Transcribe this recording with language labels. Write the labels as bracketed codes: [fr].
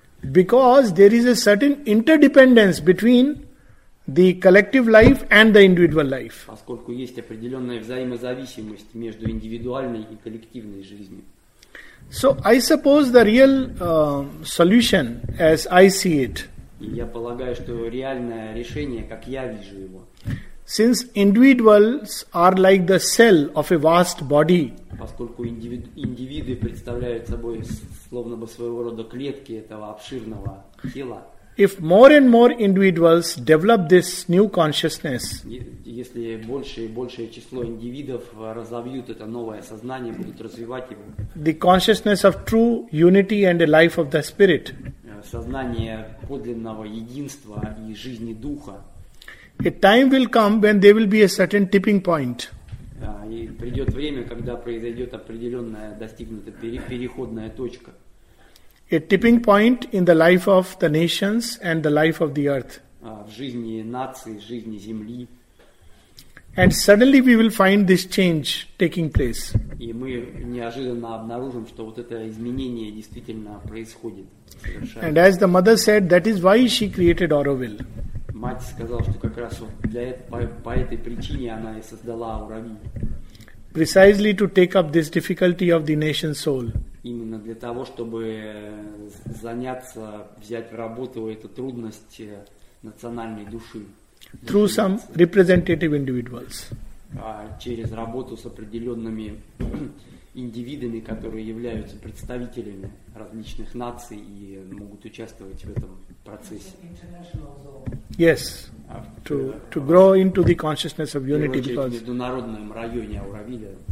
[en] Because there is a certain interdependence between the collective life and the individual life. [ru] Поскольку есть определенная взаимозависимость между индивидуальной и коллективной жизнью. [en] So I suppose the real solution, as I see it, [ru] я полагаю, что реальное решение, как я вижу его, [en] since individuals are like the cell of a vast body, [ru] поскольку индивиды представляют собой словно бы своего рода клетки этого обширного тела, [en] if more and more individuals develop this new consciousness, [ru] если больше и большее число индивидов разовьют это новое сознание, будут развивать его, [en] the consciousness of true unity and a life of the spirit, [ru] сознание подлинного единства и жизни духа, [en] a time will come when there will be a certain tipping point. [ru] И придет время, когда произойдет определенная достигнута переходная точка. [en] A tipping point in the life of the nations and the life of the earth. [ru] В жизни нации, жизни земли. [en] And suddenly we will find this change taking place. [ru] И мы неожиданно обнаружим, что вот это изменение действительно происходит. [en] And as the mother said, that is why she created Auroville. [ru] Мать сказала, что как раз вот для по этой причине она и создала Auroville. [en] Precisely to take up this difficulty of the nation's soul. [ru] Именно для того, чтобы заняться, взять в работу эту трудность национальной души. [en] Through some representative individuals. [ru] Через работу с определенными индивидами, которые являются представителями различных наций и могут участвовать в этом процессе. [en] Yes, to grow into the consciousness of unity. [ru] В международном районе Ауравиля.